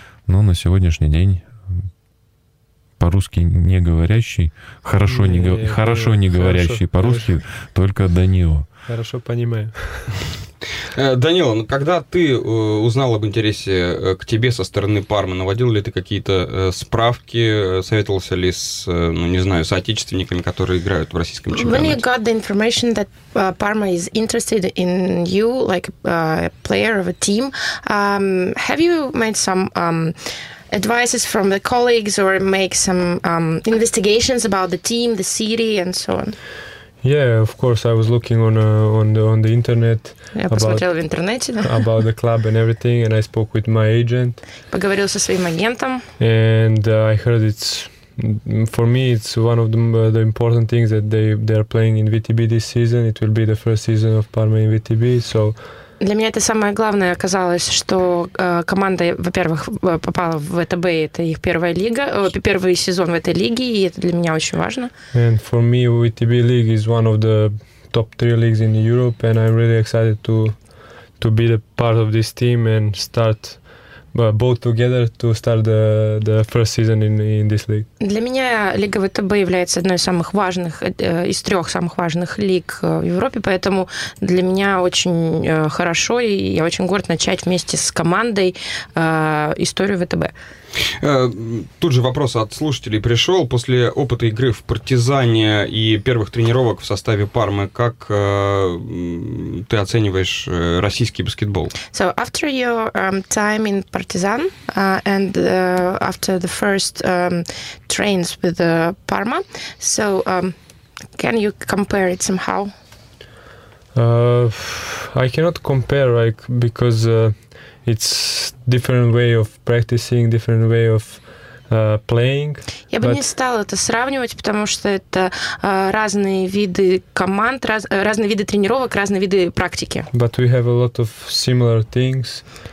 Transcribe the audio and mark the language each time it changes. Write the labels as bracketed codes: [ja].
[ru] Но на сегодняшний день по-русски не говорящий, по-русски, только Данила. Хорошо понимаю. Данила, ну когда ты узнал об интересе к тебе со стороны «Пармы», наводил ли ты какие-то справки, советовался ли с, ну не знаю, соотечественниками, которые играют в российском чемпионате? [en] When you got the information that Parma is interested in you, like a player of a team, have you made some advices from the colleagues or make some investigations about the team, the city and so on? Yeah, of course. I was looking on the internet about the club and everything, and I spoke with my agent. [ru] Поговорил со своим агентом. [en] And I heard it's for me. It's one of the important things that they are playing in VTB this season. It will be the first season of Parma in VTB. So. [ru] Для меня это самое главное оказалось, что команда, во-первых, попала в ВТБ, это их первая лига, первый сезон в этой лиге, и это для меня очень важно. [en] And for me, VTB league is one of the top three leagues in Europe, and I'm really excited to be a part of this team and start both together to start the first season in this league. [ru] Для меня Лига ВТБ является одной из самых важных, из трех самых важных лиг в Европе, поэтому для меня очень хорошо, и я очень горд начать вместе с командой историю ВТБ. Тут же вопрос от слушателей пришел. После опыта игры в «Партизане» и первых тренировок в составе «Пармы», как ты оцениваешь российский баскетбол? [en] So, after your time in «Партизан» and after the first trains with the «Парма», so, can you compare it somehow? I cannot compare, like, because... It's different way of practicing, different way of playing. [ru] Я бы не стала это сравнивать, потому что это разные виды команд, разные виды тренировок, разные виды практики. [en] But we have a lot of similar things.